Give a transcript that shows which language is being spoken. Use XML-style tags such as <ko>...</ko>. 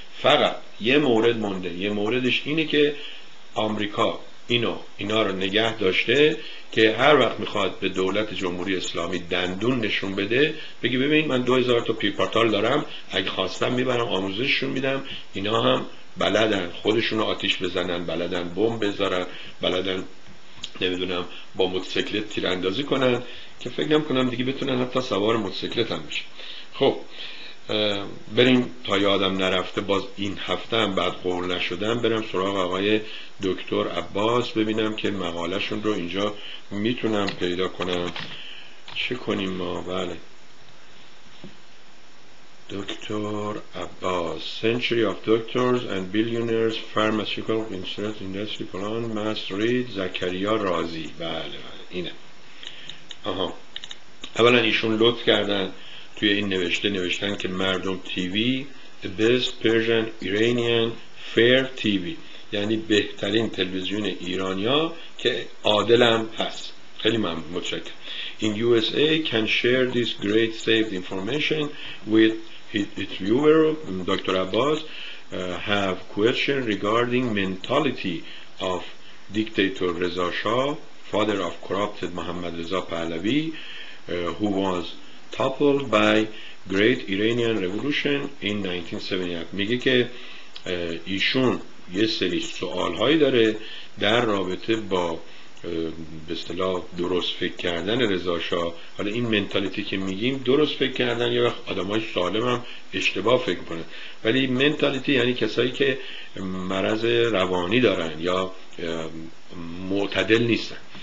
<fa>فقط یه مورد مونده، یه موردش اینه که آمریکا اینا رو نگه داشته که هر وقت میخواد به دولت جمهوری اسلامی دندون نشون بده بگی ببین من 2000 تا پیپارتال دارم، اگه خواستم میبرم آموزششون میدم، اینا هم بلدن خودشون آتیش بزنن، بلدن بمب بذارن، بلدن نمیدونم با موتورسیکلت تیراندازی کنن، که فکر نمی‌کنم دیگه بتونن حتی سوار موتورسیکلت هم بشن. خب بریم تا یادم نرفته باز این هفته هم بعد قول نشدم برم سراغ آقای دکتر عباس ببینم که مقاله شون رو اینجا میتونم پیدا کنم. چه کنیم ما؟ بله دکتر عباس،</fa> <en>Century of Doctors and Billionaires Pharmaceutical Insurance Industry Plan Mass Read، زکریا رازی.</en> <fa>بله بله اینه. آها اولا ایشون لطف کردن توی این نوشتن که مردم تیوی</fa> <en>The Best Persian Iranian Fair TV،</en> <fa>یعنی بهترین تلویزیون ایرانیا که عادل هم هست. خیلی متشکرم.</fa> <en>In USA can share this great saved information with its viewer. Dr. Abbas have question regarding mentality of dictator Reza Shah, father of corrupted Muhammad Reza Pahlavi, who was toppled by Great Iranian Revolution in 1978.</en> <fa>میگه که ایشون یه سری سوال هایی داره در رابطه با به اصطلاح درست فکر کردن رضا شاه. حالا این منتالیتی که میگیم درست فکر کردن، یه وقت آدمای سالم هم اشتباه فکر کنن، ولی منتالیتی یعنی کسایی که مرض روانی دارن یا معتدل نیستن.</fa>